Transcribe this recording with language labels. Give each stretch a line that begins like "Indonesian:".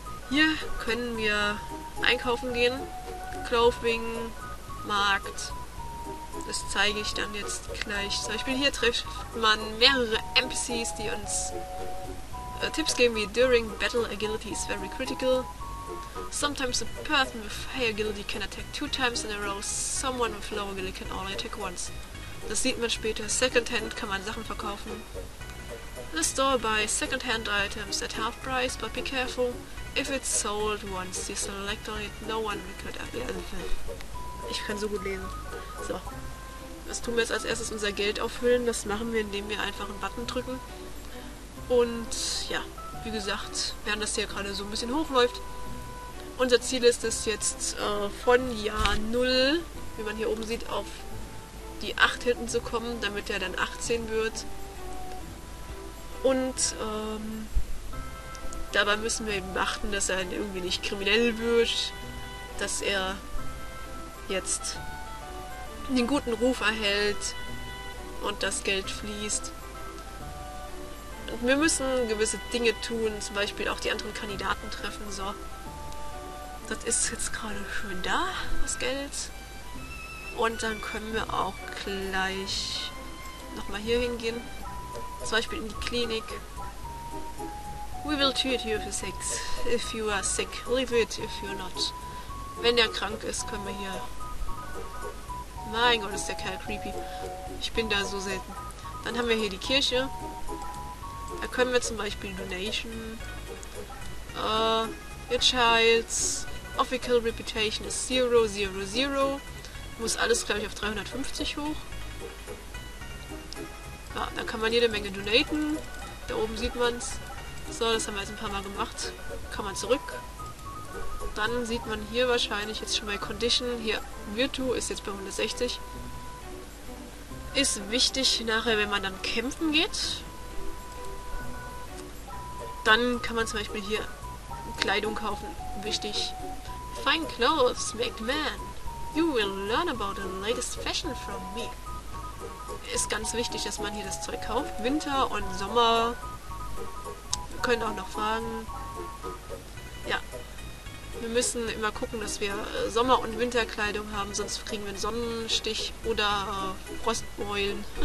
German: Hier können wir einkaufen gehen. Clothing, Markt. Das zeige ich dann jetzt gleich. Zum Beispiel hier trifft man mehrere NPCs, die uns Tipps geben wie
English: During battle agility is very critical. Sometimes a person with high agility can attack two times in a row. Someone with low agility can only attack once.
German: Das sieht man später. Secondhand kann man Sachen verkaufen.
English: The store buys secondhand items at half price, but be careful. If it's sold once you select on it, no one will ever anything.
German: Ich kann so gut lesen. So. Was tun wir jetzt als erstes? Unser Geld auffüllen. Das machen wir, indem wir einfach einen Button drücken. Und ja, wie gesagt, während das hier gerade so ein bisschen hochläuft, unser Ziel ist es jetzt von Jahr 0, wie man hier oben sieht, auf die 8 hinten zu kommen, damit er dann 18 wird. Und dabei müssen wir eben achten, dass er irgendwie nicht kriminell wird, dass er jetzt einen guten Ruf erhält und das Geld fließt. Und wir müssen gewisse Dinge tun, zum Beispiel auch die anderen Kandidaten treffen. So, das ist jetzt gerade schön da, das Geld. Und dann können wir auch gleich nochmal hier hingehen. Zum Beispiel in die Klinik.
English: We will treat you if you're sick. If you are sick, leave it if you're not.
German: Wenn der krank ist, können wir hier... Mein Gott, ist der Kerl creepy. Ich bin da so selten. Dann haben wir hier die Kirche. Da können wir zum Beispiel Donation.
English: Your child's official reputation is 0, 0, 0.
German: Muss alles, glaube ich, auf 350 hoch. Ja, da kann man jede Menge donaten. Da oben sieht man es. So, das haben wir jetzt ein paar Mal gemacht. Kann man zurück. Dann sieht man hier wahrscheinlich jetzt schon bei Condition. Hier, Virtu ist jetzt bei 160. Ist wichtig nachher, wenn man dann kämpfen geht. Dann kann man zum Beispiel hier Kleidung kaufen. Wichtig.
English: Fine clothes make man. You will learn about the latest fashion from me.
German: Ist ganz wichtig, dass man hier das Zeug kauft. Winter und Sommer. Wir können auch noch fragen. Ja. Wir müssen immer gucken, dass wir Sommer- und Winterkleidung haben, sonst kriegen wir einen Sonnenstich oder Frostbeulen.